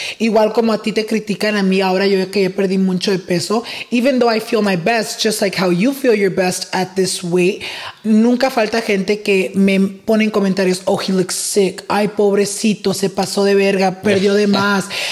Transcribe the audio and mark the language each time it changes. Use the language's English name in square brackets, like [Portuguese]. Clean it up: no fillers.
[Spanish] Igual como a ti te critican a mí, ahora yo que he perdido mucho de peso. [English] Even though I feel my best, just like how you feel your best at this weight, [Spanish] nunca falta gente que me pone en comentarios, [English] oh, he looks sick. [Spanish] Ay, pobrecito, se pasó de verga, perdió de más.